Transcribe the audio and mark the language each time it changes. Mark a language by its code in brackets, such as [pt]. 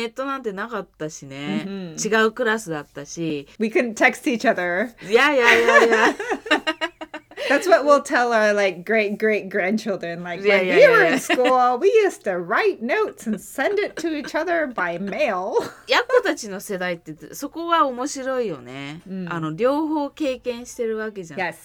[ja] 日本人がやるね。当然ネットなんてなかったしね。違うクラスだったし。 [en] We couldn't text each other. Yeah. That's what we'll tell our like great great grandchildren. Like when we were in school, we used to write notes and send it to each other by mail. [ja] やっこたちの世代ってそこが面白いよね。あの両方経験してるわけじゃん。Yes,